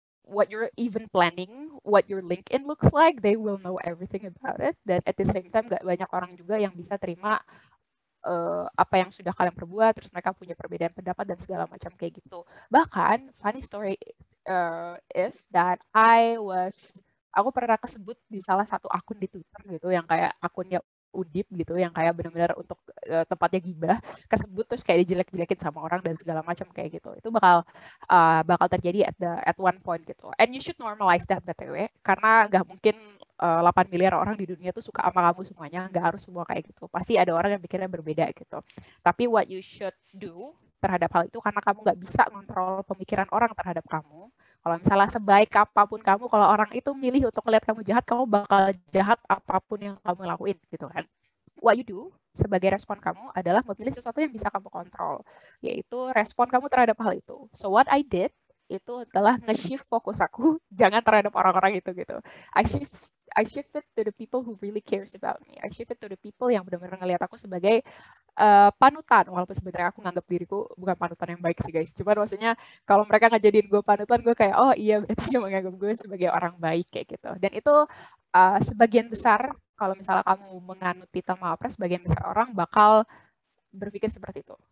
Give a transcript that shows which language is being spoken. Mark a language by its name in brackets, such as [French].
[English] what you're even planning, what your LinkedIn looks like, they will know everything about it. [Indonesian] Dan at the same time, gak banyak orang juga yang bisa terima apa yang sudah kalian perbuat, terus mereka punya perbedaan pendapat dan segala macam kayak gitu. Bahkan, [English] funny story is that [Indonesian] aku pernah kesebut di salah satu akun di Twitter gitu, yang kayak akunnya Undip gitu, yang kayak benar-benar untuk tempatnya gibah, kesebut terus kayak dijelek-jelekin sama orang dan segala macam kayak gitu. Itu bakal terjadi [English] at one point [Indonesian] gitu. [English] And you should normalize that, btw, [Indonesian] karena nggak mungkin 8 miliar orang di dunia tuh suka sama kamu semuanya, nggak harus semua kayak gitu. Pasti ada orang yang pikirnya berbeda gitu. Tapi [English] what you should do [Indonesian] terhadap hal itu, karena kamu nggak bisa kontrol pemikiran orang terhadap kamu. Kalau misalnya sebaik apapun kamu, kalau orang itu milih untuk melihat kamu jahat, kamu bakal jahat apapun yang kamu lakuin, gitu kan. [English] What you do [Indonesian] sebagai respon kamu adalah memilih sesuatu yang bisa kamu kontrol, yaitu respon kamu terhadap hal itu. [English] So what I did [Indonesian] itu adalah nge-shift fokus aku, jangan terhadap orang-orang itu, gitu. [English] I shift it to the people who really cares about me. I shift it to the people [Indonesian] yang benar-benar ngelihat aku sebagai panutan, walaupun sebenarnya aku nganggap diriku bukan panutan yang baik sih guys. Cuman maksudnya kalau mereka ngejadiin gue panutan, gue kayak oh iya berarti dia menganggap gue sebagai orang baik kayak gitu. Dan itu sebagian besar, kalau misalnya kamu menganut Tita Mawapres, sebagian besar orang bakal berpikir seperti itu.